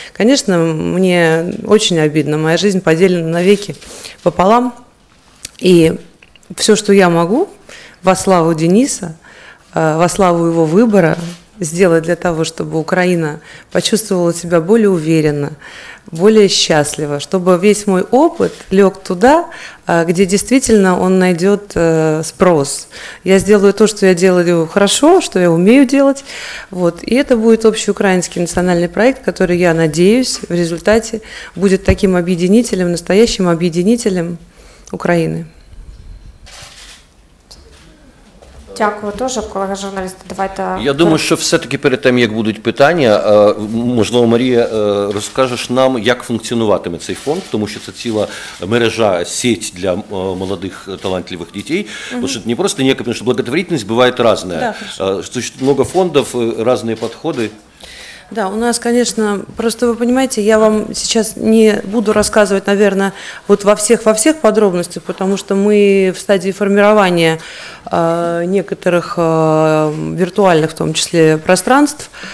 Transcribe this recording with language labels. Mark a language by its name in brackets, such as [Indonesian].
[Russian] Конечно, мне очень обидно, моя жизнь поделена навеки пополам, и все, что я могу во славу Дениса, во славу его выбора сделать для того, чтобы Украина почувствовала себя более уверенно, более счастливо, чтобы весь мой опыт лег туда, где действительно он найдет спрос. Я сделаю то, что я делаю хорошо, что я умею делать. Вот. И это будет общий украинский национальный проект, который, я надеюсь, в результате будет таким объединителем, настоящим объединителем Украины. [Ukrainian] Дякую дуже, колега журналіст. Давайте. Я думаю, що все-таки перед тим, як будуть питання, можливо, Марія, розкажеш нам, як функціонуватиме цей фонд, тому що це ціла мережа, сеть для молодих талантливих дітей. Угу. Тому що не просто ніяка, тому що благотворительність буває різна. Да, много фондів, різні підходи. [Russian] Да, у нас, конечно, просто вы понимаете, я вам сейчас не буду рассказывать, наверное, вот во всех подробностях, потому что мы в стадии формирования некоторых виртуальных, в том числе, пространств.